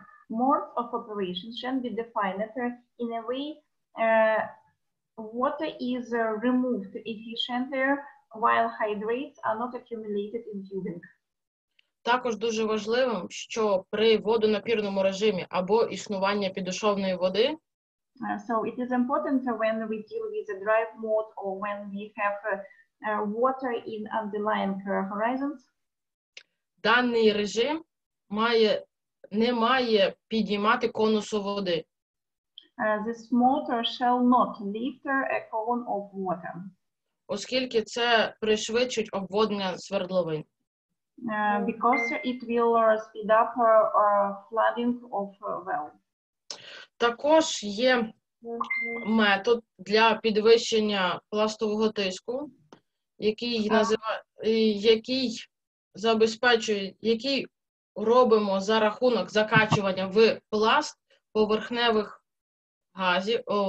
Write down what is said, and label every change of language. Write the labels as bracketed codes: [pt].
[en] Mode of operation should be defined in a way water is removed efficiently while hydrates are not accumulated in tubing. [uk] Також дуже важливим, що при водонапірному режимі або існування підошовної води. [en] So it is important when we deal with a dry mode or when we have water in underlying horizons. [uk] Даний режим не має підіймати конусу води. [en] This motor shall not lift a cone of water. [uk] Оскільки це пришвидшить обводнення свердловин. [en] Because it will speed up flooding of well. [uk] Також є метод для підвищення пластового тиску, який робимо за рахунок закачування в пласт поверхневих газів.